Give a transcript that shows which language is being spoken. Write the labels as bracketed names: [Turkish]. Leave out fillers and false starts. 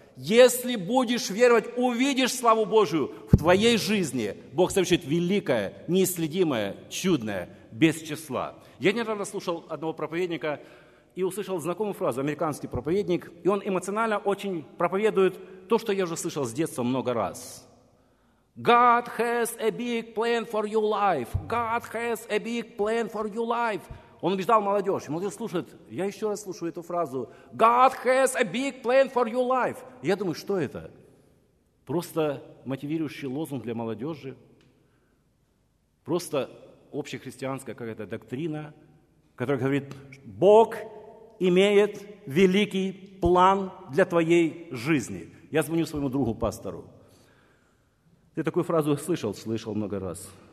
[Russian] Если будешь веровать, увидишь славу Божию в твоей жизни. Бог совершит великое, неисследимое, чудное, без числа. Я недавно слушал одного проповедника и услышал знакомую фразу, американский проповедник, и он эмоционально очень проповедует то, что я уже слышал с детства много раз. [English] God has a big plan for your life. God has a big plan for your life. [Russian] Он убеждал молодежь. Молодежь слушает. Я еще раз слушаю эту фразу. [English] God has a big plan for your life. [Russian] Я думаю, что это? Просто мотивирующий лозунг для молодежи? Просто общехристианская какая-то доктрина, которая говорит, Бог имеет великий план для твоей жизни. Я звоню своему другу, пастору. Ты такую фразу слышал? Слышал много раз.